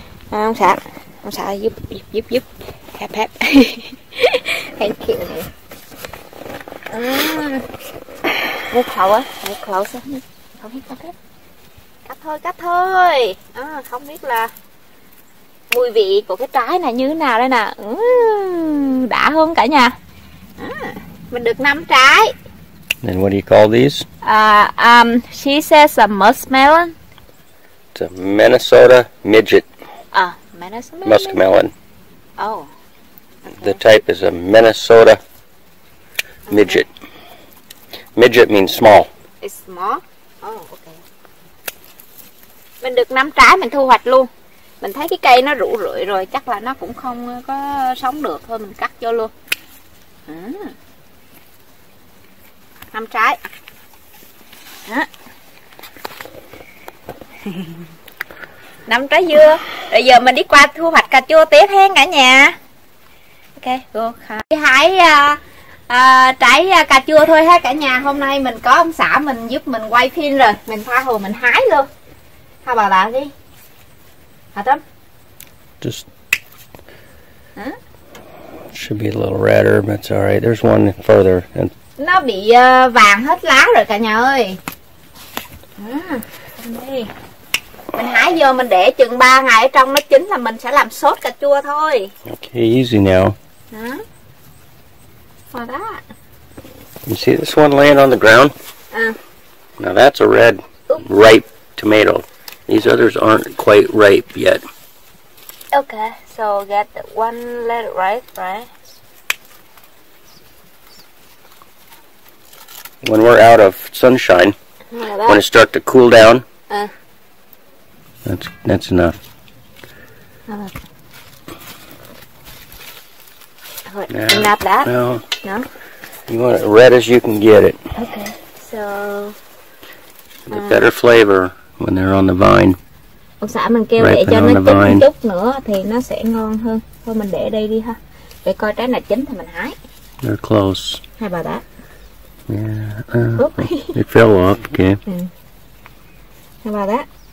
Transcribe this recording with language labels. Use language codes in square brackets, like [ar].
[vi] À, ông xã giúp giúp giúp giúp hẹp hẹp [en] thank you [vi] à. Một khẩu á, một khẩu xem không biết có cách cắt thôi cắt thôi à, không biết là mùi vị của cái trái này như thế nào đây nè. Đã hơn cả nhà à, mình được 5 trái [en] And what do you call these? à, she says a muskmelon. It's a Minnesota midget À, Minnesota. muskmelon. Oh, The type is a Minnesota midget. Midget means small. It's small. Oh, okay. [vi] Mình được 5 trái mình thu hoạch luôn. Mình thấy cái cây nó rũ rượi rồi, chắc là nó cũng không có sống được, thôi mình cắt vô luôn. 5 trái. Đó. 5 trái dưa. Bây giờ mình đi qua thu hoạch cà chua tiếp hen cả nhà. [en] Ok, go. [vi] Đi hái trái cà chua thôi ha cả nhà. Hôm nay mình có ông xã mình giúp mình quay phim rồi, mình tha hồ mình hái luôn. Tha bà lại đi. Hả Tâm? [en] Just should be a little redder, but it's all right. There's one further and [vi] Nó bị vàng hết lá rồi cả nhà ơi. Đi. Mình hái vô mình để chừng 3 ngày ở trong nó chín là mình sẽ làm sốt cà chua thôi. [en] now. Hả? For that. You see this one laying on the ground? À. Now that's a red, ripe tomato. These others aren't quite ripe yet. Okay, so get one let it ripe, right? When we're out of sunshine, Like when that. it starts to cool down, À. that's enough. Now, Not that. well, No. you want it red as you can get it. Okay. So. The better flavor when they're on the vine, [vi] Ông xã mình kêu để [en] ripen [vi] cho nó [en] on the [vi] chín [en] vine. [vi] chút nữa thì nó sẽ ngon hơn. Thôi mình để đây đi ha. Để coi trái này chín thì mình hái. [en] They're close. [vi] Hai bà đã. Yeah, Úp. [en] it fell off. Okay. [vi] Hai bà đã.